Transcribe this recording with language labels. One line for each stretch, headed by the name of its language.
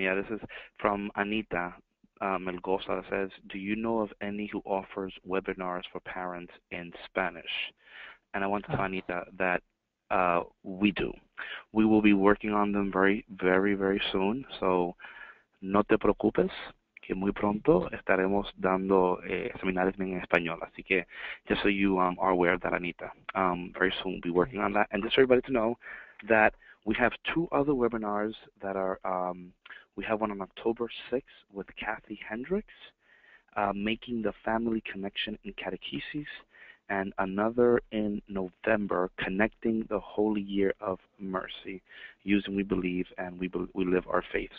English: Yeah, this is from Anita Melgosa that says, do you know of any who offers webinars for parents in Spanish? And I want to tell Anita that we do. We will be working on them very, very, very soon.
Spanish: So no te preocupes, que muy pronto estaremos dando seminarios en español. Así que
English: just so you are aware of that, Anita, very soon we'll be working on that. And just for everybody to know that We have two other webinars that are, we have one on October 6th with Kathy Hendricks, Making the Family Connection in Catechesis, and another in November, Connecting the Holy Year of Mercy, Using We Believe and We Live Our Faith.